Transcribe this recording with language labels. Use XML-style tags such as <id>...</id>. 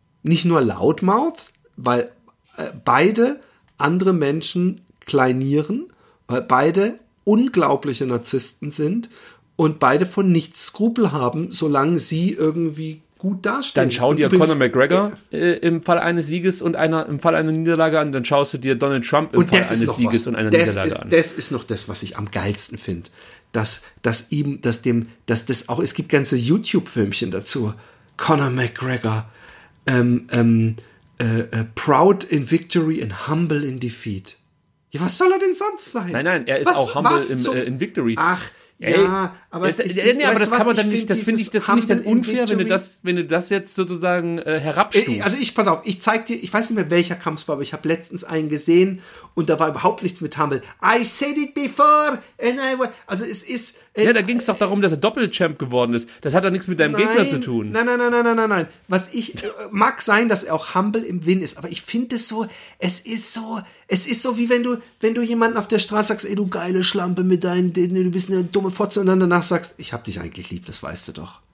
<de>Nicht nur loudmouth, weil beide andere Menschen kleinieren, weil beide unglaubliche Narzissten sind und beide von nichts Skrupel haben, solange sie irgendwie gut dastehen. Dann schau dir Conor McGregor im Fall eines Sieges und im Fall einer Niederlage an. Dann schaust du dir Donald Trump im Fall eines Sieges und einer Niederlage an. Das ist noch das, was ich am geilsten finde. Es gibt ganze YouTube-Filmchen dazu.</de> <en>Conor McGregor, proud in victory and humble in defeat.</en> <de>Ja, was soll er denn sonst sein? Nein, er ist auch</de> <en>humble in victory.</en> <de>Ach, ey, ja, aber das finde ich dann unfair, wenn du das jetzt sozusagen herabstufst. Ich zeig dir, ich weiß nicht mehr, welcher Kampf war, aber ich habe letztens einen gesehen und da war überhaupt nichts mit humble.</de> <en>I said it before and I was,</en> <de>also es ist. Da ging es doch darum, dass er Doppelchamp geworden ist. Das hat doch nichts mit deinem Gegner zu tun. Nein. Was ich, mag sein, dass er auch humble im Win ist, aber ich finde es so, es ist so, wie wenn du jemanden auf der Straße sagst, ey, du geile Schlampe mit deinen, du bist eine dumme Fotze, und dann danach sagst, ich hab dich eigentlich lieb, das weißt du doch.</de>